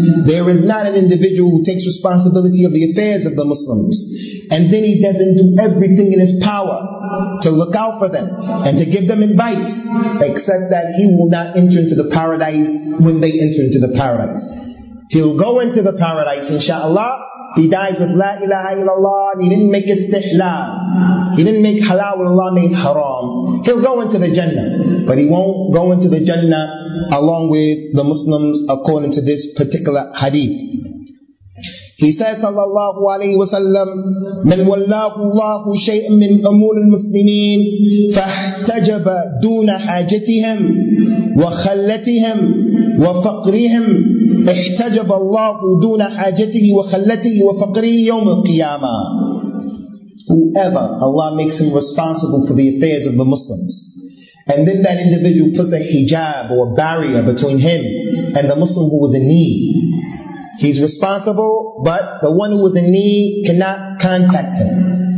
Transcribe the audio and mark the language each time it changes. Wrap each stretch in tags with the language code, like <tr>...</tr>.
<en>There is not an individual who takes responsibility of the affairs of the Muslims, and then he doesn't do everything in his power to look out for them and to give them advice, except that he will not enter into the paradise when they enter into the paradise. He'll go into the paradise, inshallah, He dies with La ilaha illallah, and he didn't make istihlal. He didn't make halal when Allah made haram. He'll go into the Jannah, but he won't go into the Jannah along with the Muslims according to this particular hadith. He says,</en> <ar>sallallahu alayhi wa sallam, مَنْ وَلَّاهُ اللَّهُ شَيْءٍ مِّنْ أَمُورِ الْمُسْلِمِينَ فَاحْتَجَبَ دُونَ حَاجَتِهِمْ وَخَلَّتِهِمْ وَفَقْرِهِمْ احْتَجَبَ اللَّهُ دُونَ حَاجَتِهِ وَخَلَّتِهِ وَفَقْرِهِ يَوْمِ الْقِيَامَةِ.</ar> <en>Whoever Allah makes him responsible for the affairs of the Muslims, and then that individual puts a hijab or a barrier between him and the Muslim who was in need, he's responsible, but the one who was in need cannot contact him.</en>